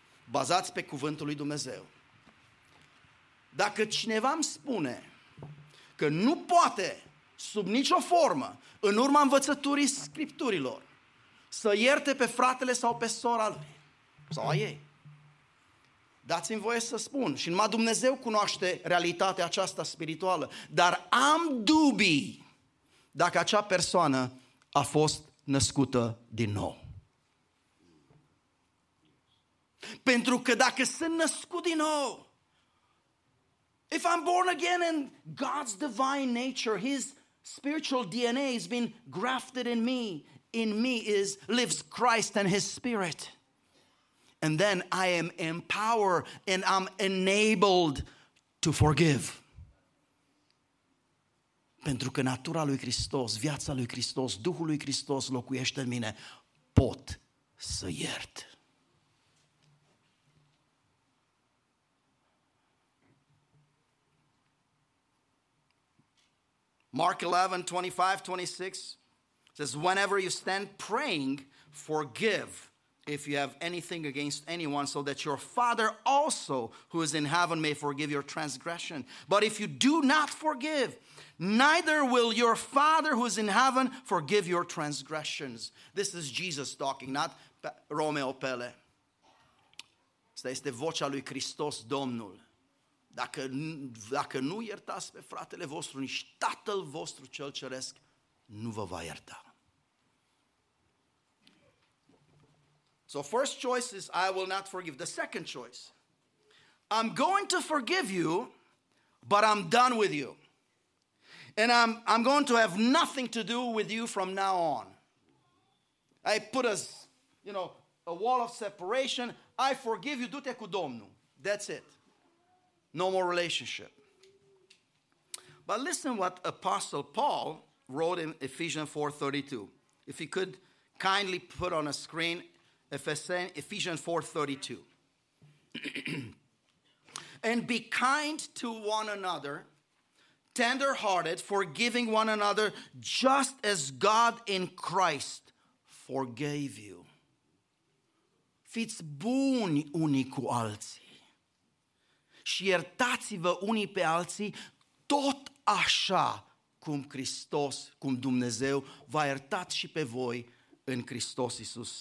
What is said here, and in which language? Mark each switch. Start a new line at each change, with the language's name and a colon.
Romanian: Bazați pe cuvântul lui Dumnezeu. Dacă cineva îmi spune că nu poate, sub nicio formă, în urma învățăturii Scripturilor, să ierte pe fratele sau pe sora lui, sau a ei, dați-mi voie să spun, și numai Dumnezeu cunoaște realitatea aceasta spirituală, dar am dubii dacă acea persoană a fost născută din nou. Pentru că dacă sunt născut din nou,
English: if I'm born again and God's divine nature, his spiritual DNA has been grafted in me is lives Christ and his spirit. And then I am empowered and I'm enabled to forgive.
Romanian: Pentru că natura lui Hristos, viața lui Hristos, Duhul lui Hristos locuiește în mine, pot să iert.
English: Mark 11, 25, 26 says, whenever you stand praying, forgive if you have anything against anyone so that your Father also who is in heaven may forgive your transgression. But if you do not forgive, neither will your Father who is in heaven forgive your transgressions. This is Jesus talking, not Romeo Pele.
Romanian: Asta este vocea lui Hristos Domnul. Dacă nu iertați pe fratele vostru, nici Tatăl vostru cel ceresc nu vă va ierta.
English: So first choice is I will not forgive. The second choice, I'm going to forgive you, but I'm done with you. And I'm going to have nothing to do with you from now on. I put a, you know, a wall of separation. I forgive you,
Romanian: du-te cu Domnul.
English: That's it. No more relationship. But listen what Apostle Paul wrote in Ephesians 4:32. If you could kindly put on a screen Ephesians 4:32. And be kind to one another, tender-hearted, forgiving one another, just as God in Christ forgave you.
Romanian: Fiți buni unii cu alții și iertați-vă unii pe alții, tot așa cum Hristos, cum Dumnezeu v-a iertat și pe voi în Hristos Iisus.